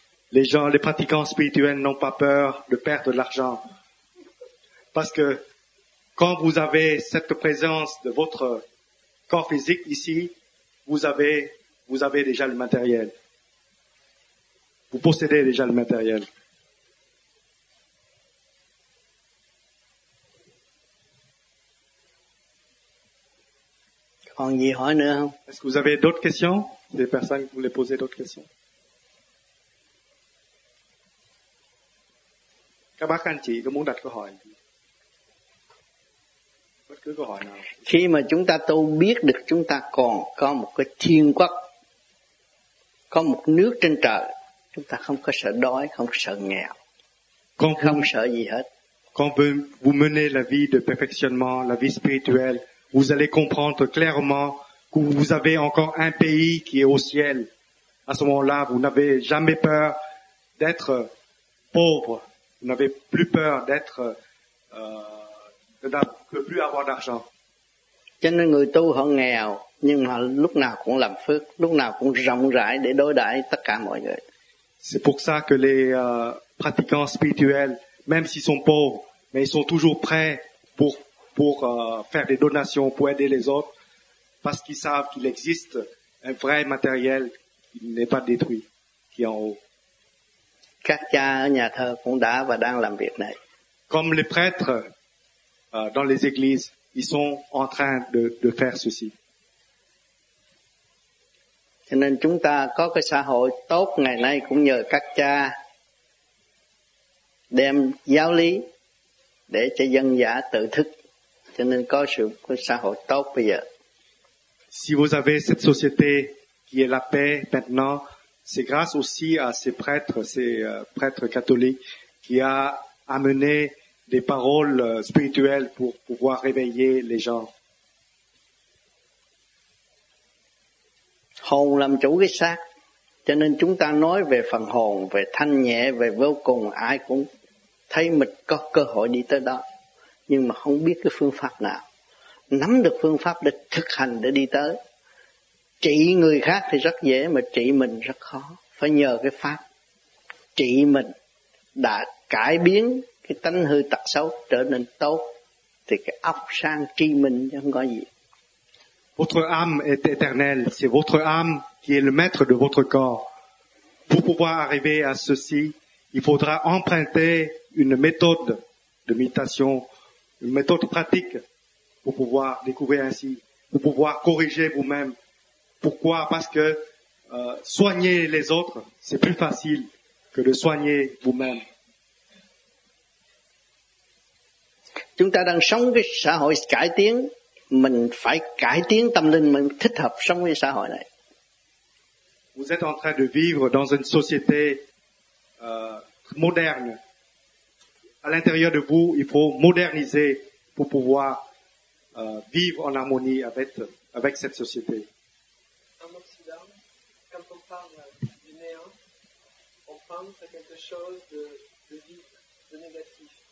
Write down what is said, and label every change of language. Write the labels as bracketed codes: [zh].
[fr] Les gens, les pratiquants spirituels n'ont pas peur de perdre l'argent. Parce que quand vous avez cette présence de votre corps physique ici, vous avez déjà le matériel. Vous possédez déjà le matériel. [vi] Còn gì hỏi nữa không? [fr] Est-ce que vous avez d'autres questions? Des personnes qui voulaient poser d'autres questions? [vi] Các bác anh chị có muốn đặt câu hỏi gì? Bất cứ câu hỏi nào. Khi mà chúng ta tu biết được chúng ta còn có một cái thiên quốc, có một nước trên trời, chúng ta không có sợ đói, không sợ nghèo, [fr] quand [vi] không [fr] vous, [vi] sợ gì hết. [fr] Quand vous menez la vie de perfectionnement, la vie spirituelle, vous allez comprendre clairement que vous avez encore un pays qui est au ciel. À ce moment-là, vous n'avez jamais peur d'être pauvre. Vous n'avez plus peur d'être, de plus avoir d'argent. [vi] Cho nên người tu họ nghèo, nhưng mà lúc nào cũng làm phước, lúc nào cũng rộng rãi để đối đãi tất cả mọi người. [fr] C'est pour ça que les pratiquants spirituels, même s'ils sont pauvres, mais ils sont toujours prêts pour faire des donations, pour aider les autres, parce qu'ils savent qu'il existe un vrai matériel qui n'est pas détruit, qui est en haut. [vi] Các cha ở nhà thờ cũng đã và đang làm việc này. [fr] Comme les prêtres dans les églises, ils sont en train de faire ceci. [vi] Cho nên chúng ta có cái xã hội tốt ngày nay cũng nhờ các cha đem giáo lý để cho dân giả tự thức. Cho nên có sự có xã hội tốt bây giờ. [fr] Si vous avez cette société qui est la paix maintenant, c'est grâce aussi à ces prêtres catholiques qui a amené des paroles spirituelles pour pouvoir réveiller les gens. [vi] Hồn làm chủ cái xác, cho nên chúng ta nói về phần hồn, về thanh nhẹ, về vô cùng, ai cũng thấy mình có cơ hội đi tới đó, nhưng mà không biết cái phương pháp nào. Nắm được phương pháp để thực hành để đi tới. Trị người khác thì rất dễ, mà trị mình rất khó. Phải nhờ cái pháp trị mình đã cải biến cái tánh hư tật xấu trở nên tốt, thì cái óc sang trị mình chứ không có gì. [fr] Votre âme est éternelle. C'est votre âme qui est le maître de votre corps. Pour pouvoir arriver à ceci, il faudra emprunter une méthode de méditation, une méthode pratique pour pouvoir découvrir ainsi, pour pouvoir corriger vous-même. Pourquoi? Parce que soigner les autres, c'est plus facile que de soigner vous-même. [vi] Chúng ta đang sống cái xã hội cải tiến, mình phải cải tiến tâm linh mình thích hợp sống với xã hội này. [fr] Vous êtes en train de vivre dans une société moderne. À l'intérieur de vous, il faut moderniser pour pouvoir vivre en harmonie avec cette société. En Occident, quand on parle du néant, on pense à quelque chose de vide, de négatif.